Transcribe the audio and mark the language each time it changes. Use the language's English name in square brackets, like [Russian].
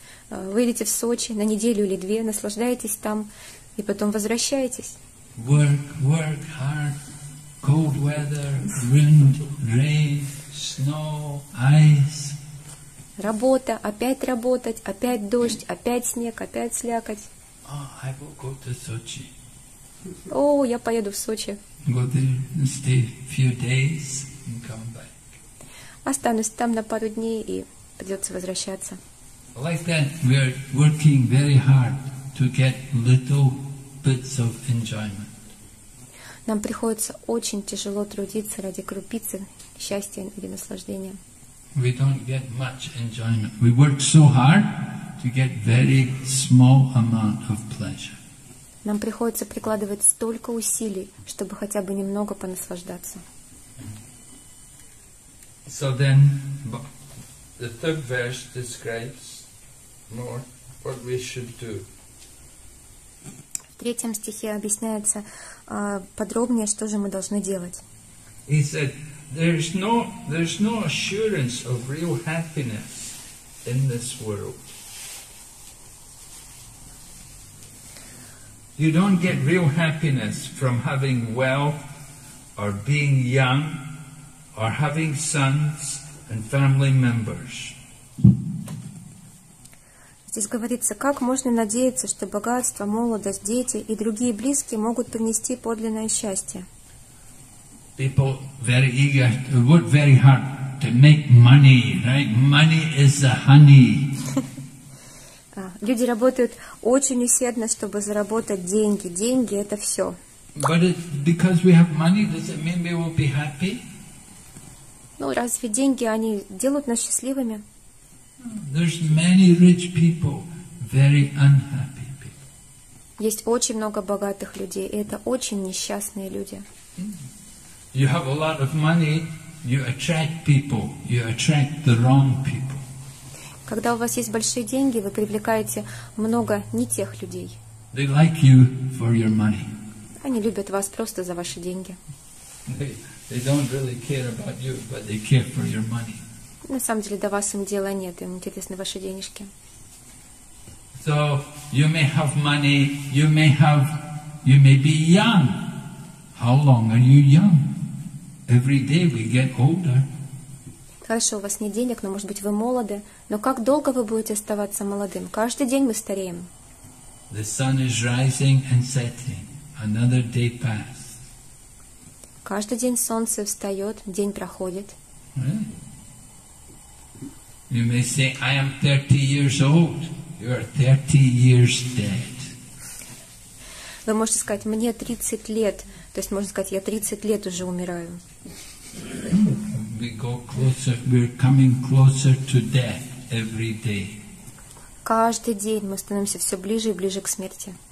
[Russian] Вы едете в Сочи на неделю или две, наслаждаетесь там, и потом возвращаетесь. [English] Work hard, cold weather, wind, rain, snow, ice. [Russian] Работа, опять работать, опять дождь, опять снег, опять слякоть. [English] Oh, I will go to Sochi. [Russian] Я поеду в Сочи. [English] Go there and stay a few days and come back. [Russian] Останусь там на пару дней и придется возвращаться. [English] Like that, we are working very hard to get little bits of enjoyment. [Russian] Нам приходится очень тяжело трудиться ради крупицы счастья или наслаждения. [English] We don't get much enjoyment. We work so hard to get very small amount of pleasure. [Russian] Нам приходится прикладывать столько усилий, чтобы хотя бы немного понаслаждаться. [English] So then, the third verse describes more what we should do. [Russian] В третьем стихе объясняется подробнее, что же мы должны делать. [English] He said, there's no assurance of real happiness in this world. You don't get real happiness from having wealth or being young or having sons and family members. [Russian] Здесь говорится, как можно надеяться, что богатство, молодость, дети и другие близкие могут принести подлинное счастье. [English] People very eager, work very hard to make money, right? Money is the honey. [Russian] Люди работают очень усердно, чтобы заработать деньги. Деньги — это все. [English] But it, because we have money, does it mean we will be happy? [Russian] Ну, разве деньги, они делают нас счастливыми? [English] There's many rich people, very unhappy people. [Russian] Есть очень много богатых людей, и это очень несчастные люди. [English] You have a lot of money, you attract people, you attract the wrong people. [Russian] Когда у вас есть большие деньги, вы привлекаете много не тех людей. [English] They like you for your money. [Russian] Они любят вас просто за ваши деньги. [English] They don't really care about you, but they care for your money. [Russian] На самом деле, до вас им дела нет, им интересны ваши денежки. [English] So, you may have money, you may be young. How long are you young? Every day we get older. [Russian] Хорошо, у вас нет денег, но, может быть, вы молоды. Но как долго вы будете оставаться молодым? Каждый день мы стареем. [English] The sun is rising and setting. Another day passed. [Russian] Каждый день солнце встает, день проходит. [English] Really? You may say, I am 30 years old. You are 30 years dead. [Russian] Вы можете сказать, мне 30 лет. То есть можно сказать, я 30 лет уже умираю. [English] We go closer, we're coming closer to death every day. [Russian] Каждый день мы становимся все ближе и ближе к смерти.